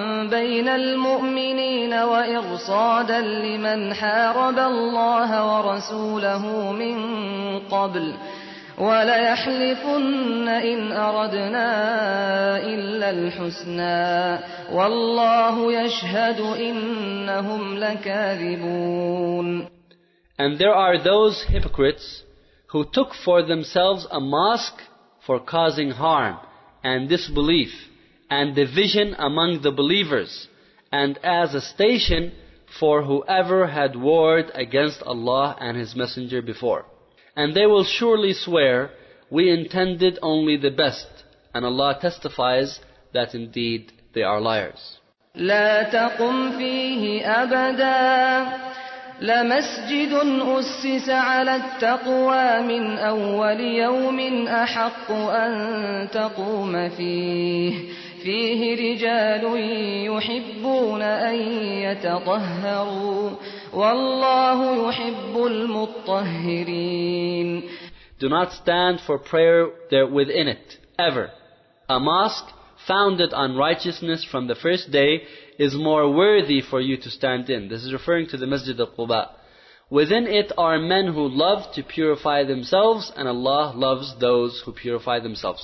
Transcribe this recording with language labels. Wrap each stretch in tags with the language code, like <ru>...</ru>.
<ar>بين المؤمنين وإرصادا لمن حارب الله ورسوله من قبل وليحلفن إن أردنا إلا الحسنى والله يشهد إنهم لكاذبون.</ar> <en>And there are those hypocrites who took for themselves a mosque for causing harm and disbelief and division among the believers, and as a station for whoever had warred against Allah and His Messenger before. And they will surely swear, "We intended only the best," and Allah testifies that indeed they are liars.</en> <ar>لا تقم فيه أبدا لمسجد أسس على التقوى من أول يوم أحق أن تقوم فيه فيه رجال يحبون أن يتطهروا والله يحب المطهرين.</ar> <en>Do not stand for prayer there within it ever. A mosque founded on righteousness from the first day is more worthy for you to stand in. This is referring to the Masjid al-Quba. Within it are men who love to purify themselves, and Allah loves those who purify themselves.</en>